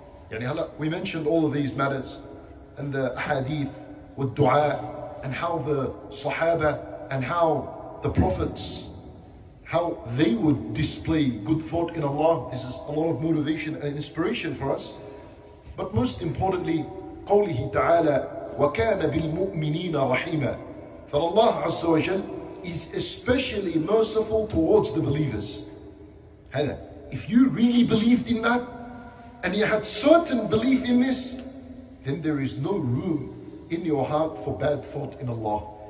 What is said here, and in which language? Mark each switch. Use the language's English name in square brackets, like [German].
[English] Yani we mentioned all of these matters and the hadith with dua, and how the sahaba and how the prophets, how they would display good thought in Allah. This is a lot of motivation and inspiration for us. But most importantly, [Arabic] قوله تعالى وَكَانَ بِالْمُؤْمِنِينَ رَحِيمًا. [English] That Allah Azza wa Jal is especially merciful towards the believers. If you really believed in that, and you had certain belief in this, then there is no room in your heart for bad thought in Allah.